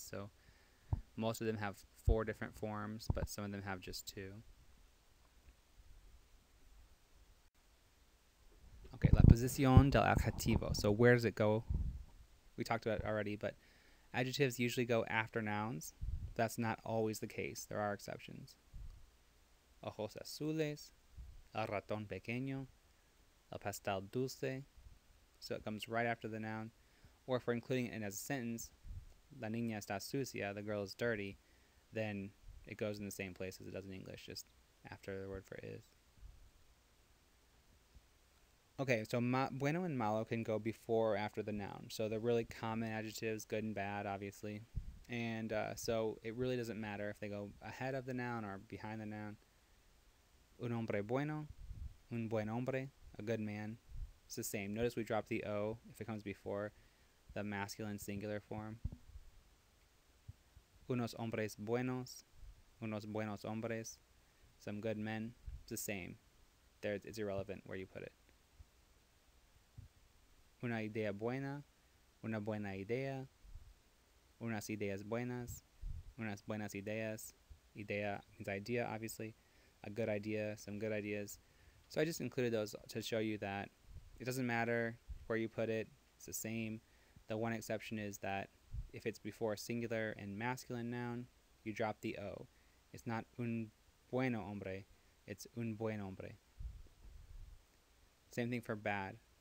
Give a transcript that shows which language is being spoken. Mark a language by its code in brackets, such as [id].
[en] So most of them have four different forms, but some of them have just two. Okay, [es] la posición del adjetivo. [en] So where does it go? We talked about it already, but adjectives usually go after nouns. That's not always the case. There are exceptions. [es] Ojos azules, el ratón pequeño, el pastel dulce. [en] So it comes right after the noun. Or if we're including it in as a sentence, [es] la niña está sucia, [en] the girl is dirty, then it goes in the same place as it does in English, just after the word for is. Okay, so bueno and malo can go before or after the noun. So they're really common adjectives, good and bad, obviously. And so it really doesn't matter if they go ahead of the noun or behind the noun. [es] Un hombre bueno, un buen hombre, [en] a good man. It's the same. Notice we drop the O if it comes before the masculine singular form. [es] Unos hombres buenos, unos buenos hombres, [en] some good men. It's the same. It's irrelevant where you put it. [es] Una idea buena, una buena idea, unas ideas buenas, unas buenas ideas. [en] Idea means idea, obviously. A good idea, some good ideas. So I just included those to show you that it doesn't matter where you put it, it's the same. The one exception is that if it's before a singular and masculine noun, you drop the O. It's not [es] un bueno hombre, [en] it's [es] un buen hombre. [en] Same thing for bad.